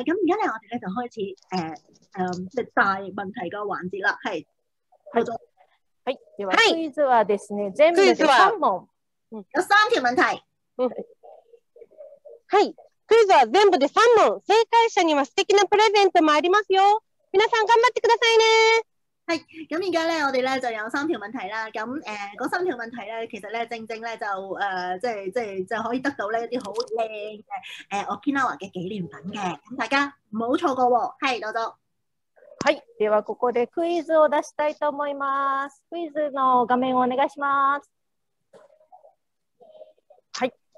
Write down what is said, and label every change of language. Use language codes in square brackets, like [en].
[yue] 咁而家咧我哋咧就开始大问题个环节啦，系好咗。系，系。 [ja] Quiz はですね、全部で三問。 [yue] 有三条问题。 [ja] はい、Quiz は全部で三問。正解者には素敵なプレゼントもありますよ。皆さん頑張ってくださいね。 [yue] 系，咁而家咧，我哋咧就有三条问题啦。咁嗰三条问题咧，其实咧正正咧就即系可以得到咧一啲好靓嘅Okinawa嘅纪念品嘅。咁大家唔好错过喎。系，多多。 [ja] はい、ではここでクイズを出したいと思います。クイズの画面をお願いします。はい、